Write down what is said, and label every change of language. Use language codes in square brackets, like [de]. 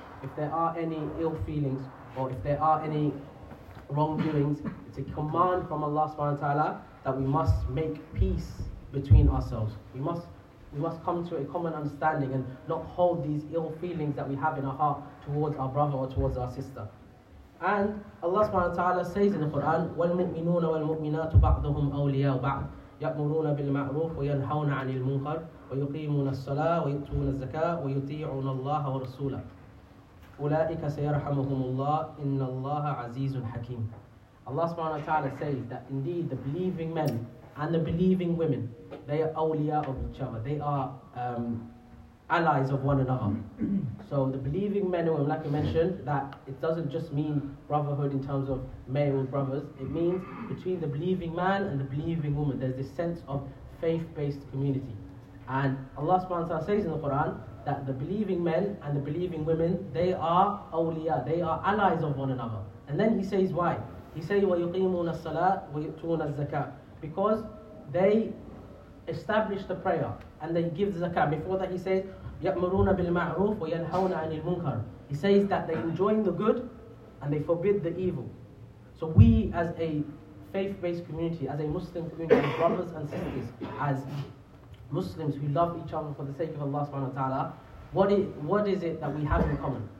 [en] If there are any ill feelings, or if there are any wrongdoings, it's a command from Allah subhanahu wa ta'ala that we must make peace between ourselves. We must come to a common understanding and not hold these ill feelings that we have in our heart towards our brother or towards our sister. [ar] And Allah subhanahu wa ta'ala says in the Quran, وَالْمُؤْمِنُونَ وَالْمُؤْمِنَاتُ بَعْضُهُمْ أَوْلِيَاءُ بَعْضٍ يَأْمُرُونَ بِالْمَعْرُوفِ وَيَنْحَوْنَ عَنِ الْمُنْكَرِ وَيُقِيمُونَ الصَّلَاةَ وَيُؤْتُونَ الزَّكَاةَ وَيُطِيعُونَ اللَّهَ وَرَسُولَهُ أُولَٰئِكَ سَيَرْحَمُهُمُ اللَّهُ إِنَّ اللَّهَ عَزِيزٌ حَكِيمٌ. [en] Allah subhanahu wa ta'ala says that indeed the believing men and the believing women, they are awliya of each other. They are allies of one another. So the believing men and women, like you mentioned, that it doesn't just mean brotherhood in terms of male brothers. It means between the believing man and the believing woman, there's this sense of faith-based community. And Allah subhanahu wa ta'ala says in the Quran that the believing men and the believing women, they are awliya, they are allies of one another. And then he says why? He says, [ar] وَيُقِيمُونَ الصَّلَاةِ وَيُؤْتُونَ الزَّكَاةِ, [en] because they establish the prayer and they give the zakah. [ar] Before that he says, يَأْمُرُونَ بِالْمَعْرُوفِ وَيَنْحَوْنَ عَنِ الْمُنْكَرِ. [en] He says that they enjoin the good and they forbid the evil. So we as a faith-based community, as a Muslim community, as brothers and sisters, as Muslims who love each other for the sake of Allah subhanahu wa ta'ala, what is it that we have in common?